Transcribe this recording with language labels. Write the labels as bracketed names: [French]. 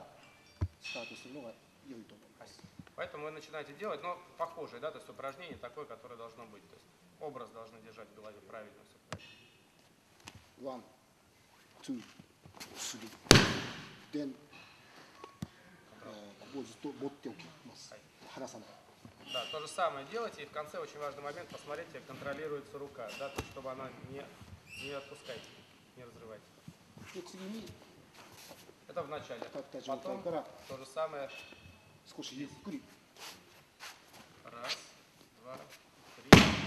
[Japanese] すなわち完璧な大外刈りにはなりませんが、なんとなく大外刈りの形を教えるにはこの状態からスタートするのが良いと思います。 [Russian] Поэтому вы начинаете делать, но похожее, да, то есть упражнение такое, которое должно быть. То есть образ должны держать в голове правильно. [English] One, two, three. [Japanese] Then, ここをずっと持っておきます。離さない。 [Russian] Да, то же самое делайте, и в конце очень важный момент, посмотрите, контролируется рука, да, то есть, чтобы она не отпускайте, не разрывайте. Это в начале. Потом то же самое. Раз, два, три.